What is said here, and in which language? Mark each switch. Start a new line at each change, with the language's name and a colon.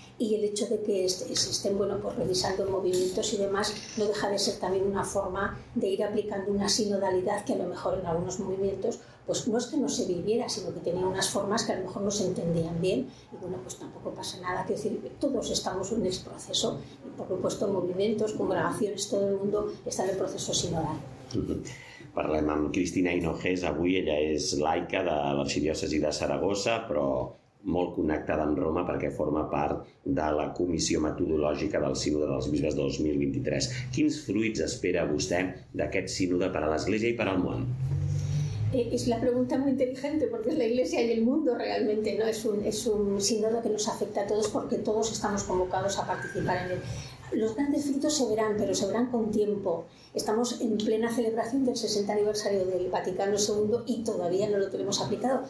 Spanish: Y el hecho de que se estén, bueno, pues revisando movimientos y demás, no deja de ser también una forma de ir aplicando una sinodalidad que a lo mejor en algunos movimientos, pues no es que no se viviera, sino que tenía unas formas que a lo mejor no se entendían bien. Y bueno, pues tampoco pasa nada. Quiero decir, todos estamos en ese proceso. Y por supuesto, movimientos, congregaciones, todo el mundo está en el proceso sinodal.
Catalan: Parlem amb Cristina Hinojés avui. Ella és laica de l'Arxidiòcesi de Saragossa, però molt connectada amb Roma perquè forma part de la Comissió Metodològica del Sínode dels Bisbes 2023. Quins fruits espera vostè d'aquest sínode per a l'Església i per al món?
Spanish: Es la pregunta muy inteligente porque es la Iglesia y el mundo realmente, ¿no? Es un sínodo que nos afecta a todos porque todos estamos convocados a participar en él. Los grandes frutos se verán, pero se verán con tiempo. Estamos en plena celebración del 60 aniversario del Vaticano II y todavía no lo tenemos aplicado.